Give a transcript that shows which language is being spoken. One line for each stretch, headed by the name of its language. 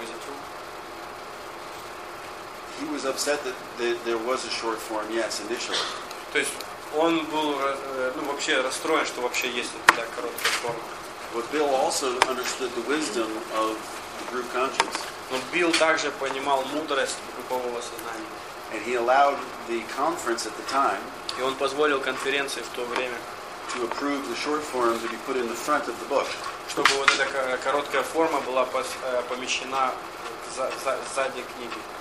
English: Is it true? He was upset that there was a short form. Yes, initially.
Russian: То есть он был вообще расстроен, что вообще есть эта такая короткая форма.
English: But Bill also understood the wisdom of the group conscience.
Russian: Но Билл также понимал мудрость группового сознания.
English: And he allowed the conference at the time.
Russian: И он позволил конференции в то время.
English: To approve the short form to be put in the front of the book.
Russian: Чтобы вот эта короткая форма была помещена сзади книги.